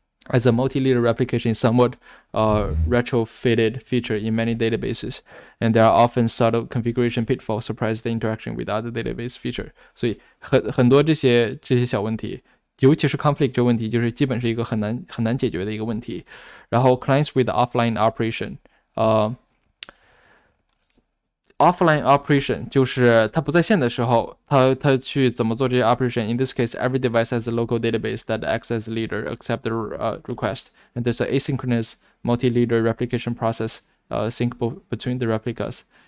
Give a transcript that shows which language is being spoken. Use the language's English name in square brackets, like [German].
[English] As a multi-leader replication is somewhat retrofitted feature in many databases, and there are often subtle configuration pitfalls surprise the interaction with other database feature. [Chinese] 所以很多这些小问题，尤其是 conflict 这个问题，就是基本是一个很难解决的一个问题。 [English] 然后 clients with offline operation，Offline operation [Chinese] 就是它不在线的时候，它去怎么做这些 [English] operation？In this case, every device has a local database that acts as leader, accept the request, and there's an asynchronous multi-leader replication process, sync between the replicas.